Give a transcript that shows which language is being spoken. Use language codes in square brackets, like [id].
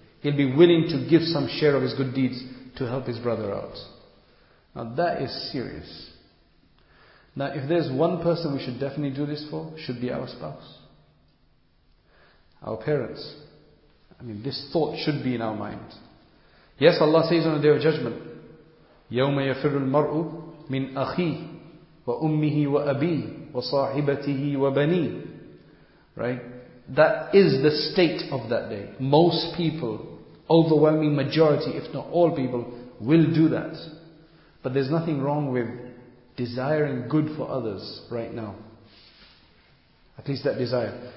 [en] He'll be willing to give some share of his good deeds to help his brother out. Now that is serious. Now if there's one person we should definitely do this for, should be our spouse. our parents. I mean, this thought should be in our mind. Yes, Allah says on the Day of Judgment, [ar] يَوْمَ يَفِرُّ الْمَرْءُ مِنْ أَخِيهِ وَأُمِّهِ وَأَبِيهِ وَصَاحِبَتِهِ وَبَنِيهِ. [en] Right? That is the state of that day. Most people, overwhelming majority, if not all people, will do that. But there's nothing wrong with desiring good for others right now. At least that desire.